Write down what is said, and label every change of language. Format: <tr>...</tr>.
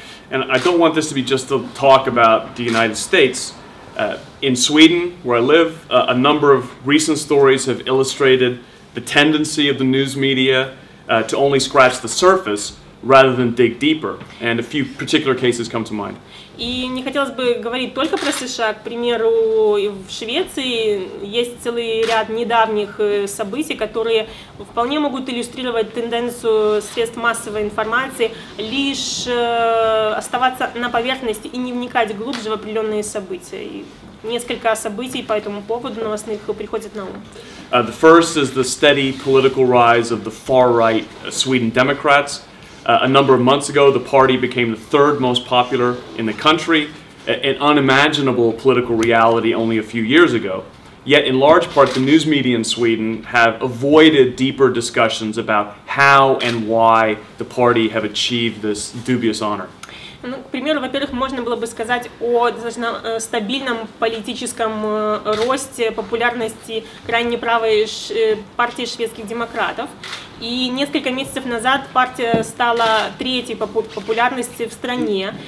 <en>And I don't want this to be just a talk about the United States. In Sweden, where I live, a number of recent stories have illustrated the tendency of the news media to only scratch the surface rather than dig deeper, and a few particular cases come to mind.</en> <ru>И не хотелось бы говорить только про США. К примеру, в Швеции есть целый ряд недавних событий, которые вполне могут иллюстрировать тенденцию средств массовой информации лишь оставаться на поверхности и не вникать глубже в определенные события. И несколько событий по этому поводу новостных приходят на ум.</ru> <en>The first is the steady political rise of the far-right Sweden Democrats. A number of months ago, the party became the third most popular in the country, an unimaginable political reality only a few years ago. Yet, in large part, the news media in Sweden have avoided deeper discussions about how and why the party have achieved this dubious honor.</en> <ru>Ну, к примеру, во-первых, можно было бы сказать о достаточно стабильном политическом росте популярности крайне правой партии шведских демократов. И несколько месяцев назад партия стала третьей по популярности в стране.</ru>